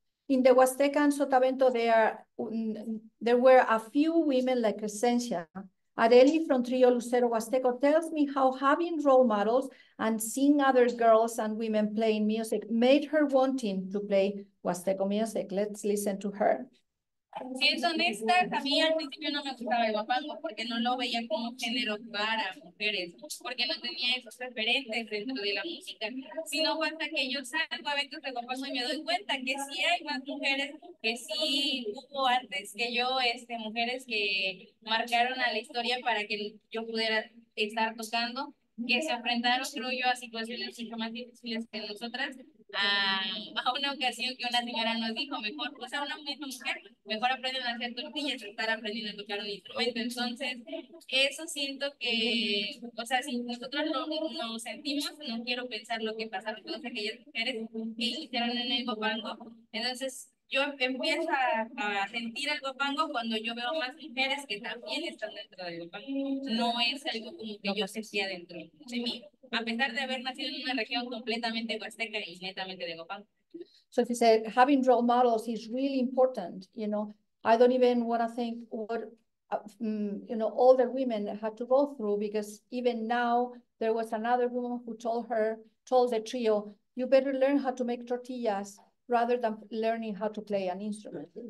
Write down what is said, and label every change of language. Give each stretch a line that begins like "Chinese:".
English: In the Huasteca and Sotavento, there were a few women like Crescencia. Areli from Trio Lucero Huasteco tells me how having role models and seeing other girls and women playing music made her wanting to play Huasteco music. Let's listen to her.
Spanish: Siendo honesta, a mí al principio no me gustaba el huapango porque no lo veía como género para mujeres, porque no tenía esos referentes dentro de la música. Sino hasta que yo salgo a eventos de huapango y me doy cuenta que sí hay más mujeres, que sí hubo antes que yo, mujeres que marcaron a la historia para que yo pudiera estar tocando. que se enfrentaron, creo yo, a situaciones mucho más difíciles que nosotras. A una ocasión que una señora nos dijo, mejor, o sea, una misma mujer, mejor aprenden a hacer tortillas, estar aprendiendo a tocar un instrumento. Entonces, eso siento que, o sea, si nosotros no sentimos, no quiero pensar lo que pasa con aquellas mujeres que hicieron en el huapango. Entonces, yo empiezo a sentir el huapango cuando yo veo más mujeres que también están dentro del huapango. No es algo como que yo sentía dentro de mí. A pesar de haber nacido en una región completamente huasteca y netamente de huapango.
English: So if you said having role models is really important, you know, I don't even want to think what, you know, all the women had to go through, because even now there was another woman who told the trio, you better learn how to make tortillas rather than learning how to play an instrument.